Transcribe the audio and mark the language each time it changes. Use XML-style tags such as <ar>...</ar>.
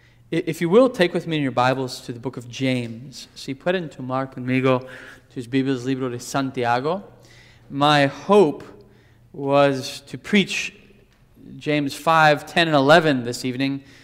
<en>If you will, take with me in your Bibles to the book of James.</en> <es>Si pueden tomar conmigo tus Biblias, libro de Santiago.</es> <en>My hope was to preach James 5, 10, and 11 this evening.</en>